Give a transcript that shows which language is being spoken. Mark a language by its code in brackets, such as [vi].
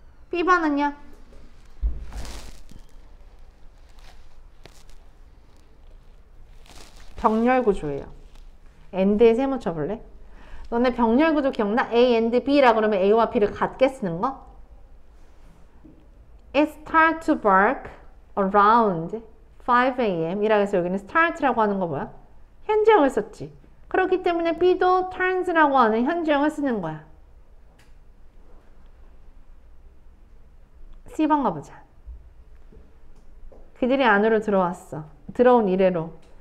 [ko] b번은요? 병렬구조예요. AND에 세 묻혀볼래? 너네 병렬구조 기억나? A AND B라 그러면 A와 B를 같게 쓰는 거? [en] It starts to bark around 5 a.m. [ko] 이라고 해서 여기는 start라고 하는 거 뭐야? 현재형을 썼지. 그렇기 때문에 B도 turns라고 하는 현재형을 쓰는 거야. C번 가보자. 그들이 안으로 들어왔어. 들어온 이래로.